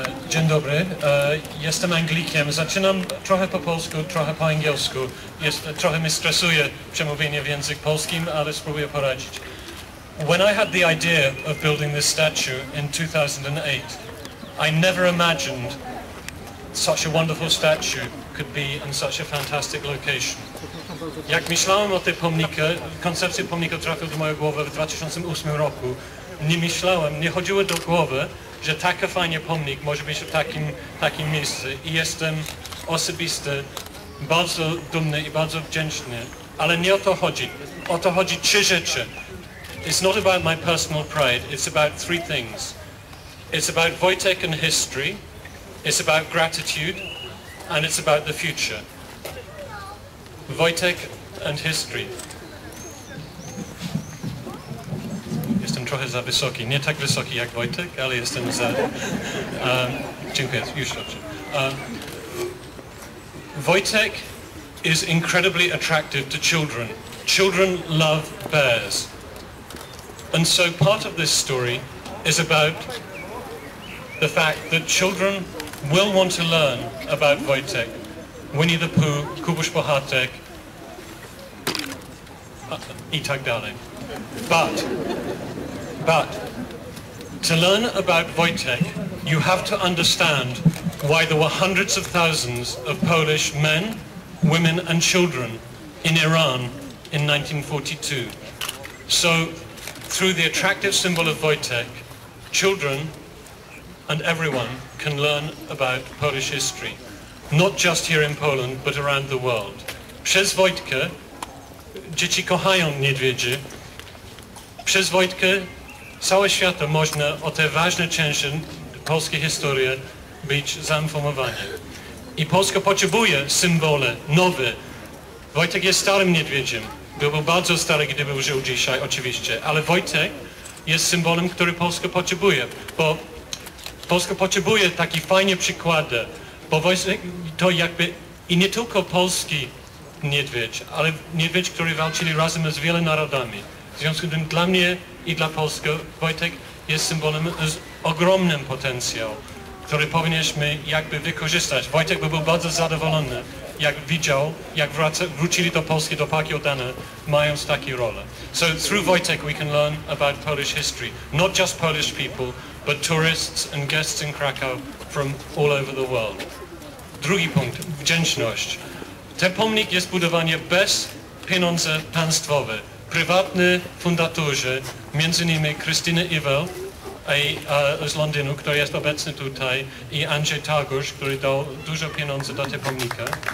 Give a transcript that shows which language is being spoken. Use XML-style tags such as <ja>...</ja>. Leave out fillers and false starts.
<pl>Dzień dobry, jestem Anglikiem. Zaczynam trochę po polsku, trochę po angielsku. Trochę mnie stresuje przemówienie w języku polskim, ale spróbuję poradzić.</pl> <en>When I had the idea of building this statue in 2008, I never imagined such a wonderful statue could be in such a fantastic location.</en> <pl>Jak myślałem o tej pomniku, koncepcja pomnika trafiła do mojej głowy w 2008 roku. Nie myślałem, nie chodziło do głowy, że taki fajny pomnik może być w takim miejscu. I jestem osobiście bardzo dumny i bardzo wdzięczny. Ale nie o to chodzi. O to chodzi trzy rzeczy.</pl> <en>It's not about my personal pride, it's about three things. It's about Wojtek and history, it's about gratitude, and it's about the future. Wojtek and history.</en> <pl>Jestem trochę za wysoki, nie tak wysoki jak Wojtek, ale jestem za... dziękuję, już dobrze.</pl> <en>Wojtek is incredibly attractive to children. Children love bears. And so part of this story is about the fact that children will want to learn about Wojtek, Winnie the Pooh, Kubusz Bohatek, i tak dalej. But to learn about Wojtek, you have to understand why there were hundreds of thousands of Polish men, women and children in Iran in 1942. So through the attractive symbol of Wojtek, children and everyone can learn about Polish history. Not just here in Poland, but around the world.</en> <pl>Przez Wojtkę dzieci kochają niedźwiedzi. Przez Wojtkę całe świat można o te ważne części polskiej historii być zainformowane. I Polska potrzebuje symbole nowe. Wojtek jest starym niedźwiedziem. Byłby bardzo stary, gdyby żył dzisiaj, oczywiście. Ale Wojtek jest symbolem, który Polska potrzebuje. Bo Polska potrzebuje taki fajny przykład. Bo Wojtek to jakby... I nie tylko polski niedźwiedź, ale niedźwiedź, który walczyli razem z wieloma narodami. W związku z tym dla mnie i dla Polski Wojtek jest symbolem z ogromnym potencjałem, który powinniśmy jakby wykorzystać. Wojtek by był bardzo zadowolony, jak widział, jak wrócili do Polski, do Parki Oddana, mając takie role.</pl> <en>So through Wojtek we can learn about Polish history. Not just Polish people, but tourists and guests in Krakow from all over the world.</en> <pl>Drugi punkt, wdzięczność. Ten pomnik jest budowany bez pieniądze państwowe. Prywatny fundatorzy, między innymi Krystyna Iwel, z Londynu, który jest obecny tutaj, i Andrzej Targusz, który dał dużo pieniędzy do tego pomnika.</pl>